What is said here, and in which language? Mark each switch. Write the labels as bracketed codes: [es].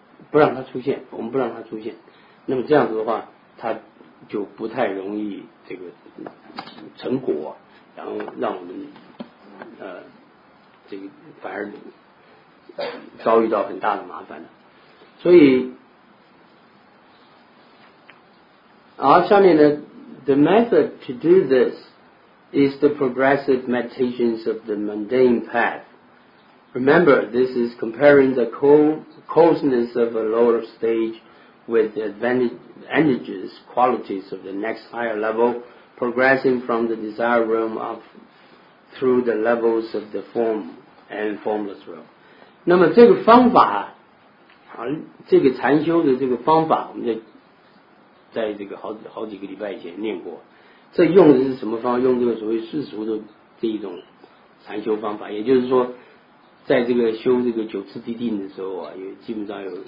[zh] 不让他出现，我们不让他出现，那么这样子的话，他就不太容易这个成果，然后让我们这个反而遭遇到很大的麻烦了，所以。好，下面呢 [en] The method to do this is the progressive meditations of the mundane path. Remember, this is comparing the coldness of a lower stage with the advantages, qualities of the next higher level, progressing from the desire realm up through the levels of the form and formless realm. [zh] 那么这个方法，这个禅修的这个方法，我们就在这个好几个礼拜以前念过，这用的是什么方法？用这个所谓世俗的这一种禅修方法，也就是说，在这个修这个九次地定的时候啊，也基本上